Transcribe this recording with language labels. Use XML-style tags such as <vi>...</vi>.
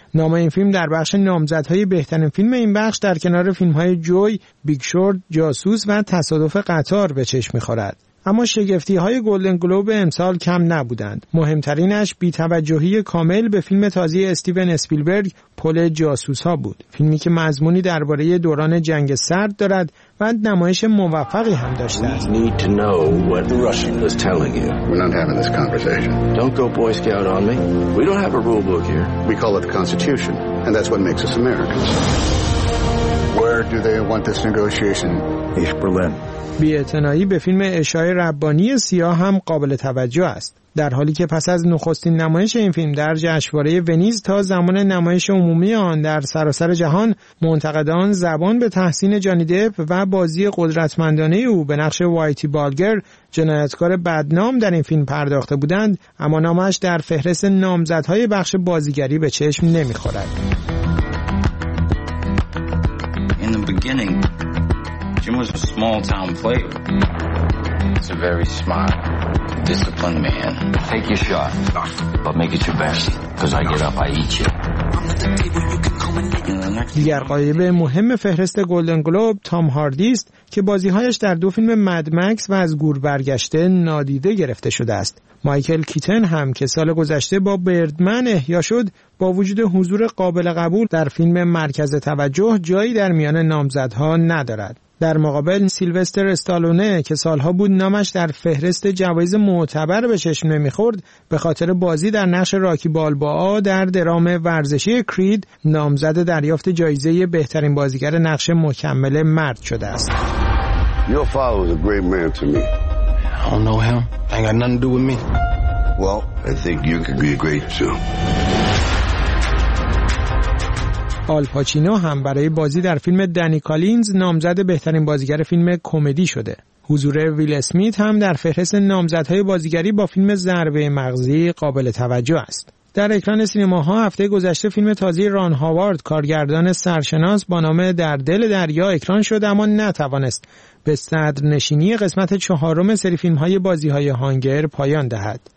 <fa>نام این فیلم در بخش نامزدهای بهترین فیلم این بخش در کنار فیلم‌های جوی، بیگ شورت، جاسوس و تصادف قطار به چشم می‌خورد. اما شگفتی‌های گلدن گلوب امسال کم نبودند. مهمترینش بی‌توجهی کامل به فیلم تازه استیون اسپیلبرگ پل جاسوس‌ها بود. فیلمی که مضمونی درباره دوران جنگ سرد دارد و نمایش موفقی هم داشته است.</fa> <en>We need to know what Russian is telling you. We're not having this conversation. Don't go boy scout on me. We don't have a rule book here. We call it the Constitution, and that's what makes us Americans. Where do they want this negotiation? East Berlin.</en> <fa>بی‌اعتنایی به فیلم اشای ربانی سیاه هم قابل توجه است. در حالی که پس از نخستین نمایش این فیلم در جشنواره ونیز تا زمان نمایش عمومی آن در سراسر جهان، منتقدان زبان به تحسین جانی دپ و بازی قدرتمندانه او به نقش وایتی بالگر، جنایتکار بدنام در این فیلم پرداخته بودند، اما نامش در فهرست نامزدهای بخش بازیگری به چشم نمی‌خورد.</fa> <en>In the beginning, Jim was a small-town player. He's a very smart, disciplined man. Take your shot, but make it your best, because I get up, I eat you.</en> <fa>دیگر غایب مهم فهرست گلدن گلوب تام هاردی است که بازیهایش در دو فیلم مد مکس و از گور برگشته نادیده گرفته شده است. مایکل کیتن هم که سال گذشته با بردمن احیا شد، با وجود حضور قابل قبول در فیلم مرکز توجه جایی در میان نامزدها ندارد. در مقابل سیلوستر استالونه که سالها بود نامش در فهرست جوایز معتبر به چشم نمی‌خورد، به خاطر بازی در نقش راکی بالبا در درام ورزشی کرید نامزد دریافت جایزه بهترین بازیگر نقش مکمل مرد شده است.</fa> <en>Your father was a great man to me. I don't know him. I ain't got nothing to do with me. Well, I think you could be great too.</en> <fa>آل پاچینو هم برای بازی در فیلم دنی کالینز نامزد بهترین بازیگر فیلم کمدی شده. حضور ویل اسمیت هم در فهرست نامزدهای بازیگری با فیلم ضربه مغزی قابل توجه است. در اکران سینماها هفته گذشته فیلم تازه ران هاوارد کارگردان سرشناس با نام در دل دریا اکران شد، اما نتوانست به صدر نشینی قسمت چهارم سری فیلم‌های بازی‌های هانگر پایان دهد.</fa>